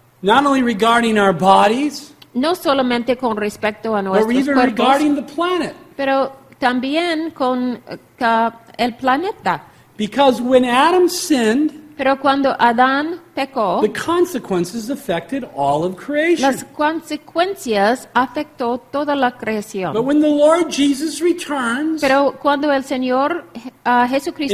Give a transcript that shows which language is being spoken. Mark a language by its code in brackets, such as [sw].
[en] Not only regarding our bodies. [es] No solamente con respecto a nuestros cuerpos. [en] But even regarding the planet. [es] Pero también con el planeta. [en] Because when Adam sinned, [es] pero cuando Adán pecó, [en] the consequences affected all of creation. [es] Las consecuencias afectó toda la creación. [en] But when the Lord Jesus returns, [es] pero cuando el Señor Jesucristo